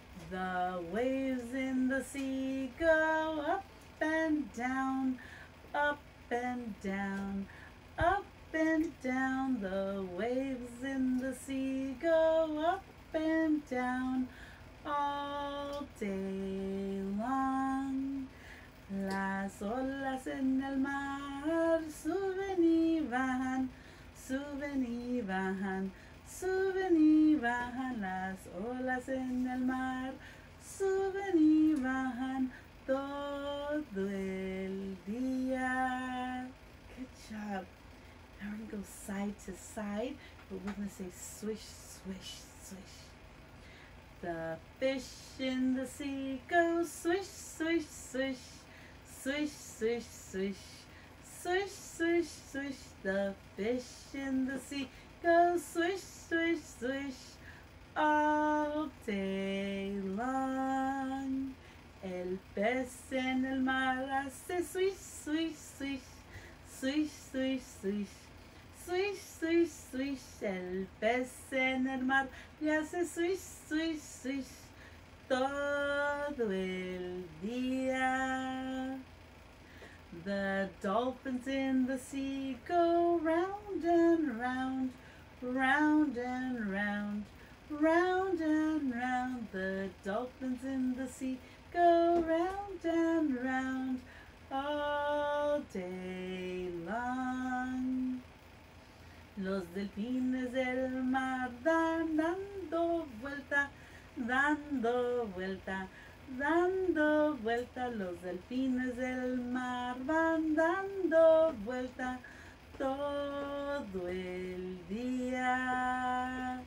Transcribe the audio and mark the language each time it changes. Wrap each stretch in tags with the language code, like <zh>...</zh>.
<en>The waves in the sea go up and down, up and down, up and down. The waves in the sea go up and down all day long.</en> <es>Las olas en el mar suben y bajan. Suben y bajan, suben y bajan. Las olas en el mar suben y bajan todo el día.</es> <en>Good job. Now we're going to go side to side, but we're going to say swish, swish, swish. The fish in the sea go swish, swish, swish. Swish, swish, swish. Swish, swish, swish. The fish in the sea go swish, swish, swish all day long.</en> <es>El pez en el mar hace swish, swish, swish. Swish, swish, swish. Swish, swish, swish. El pez en el mar le hace swish, swish, swish todo el día.</es> <en>The dolphins in the sea go round and round, round and round, round and round. The dolphins in the sea go round and round all day long.</en> <es>Los delfines del mar dan dando vuelta, dando vuelta. Dando vuelta, los delfines del mar van dando vuelta todo el día.</es>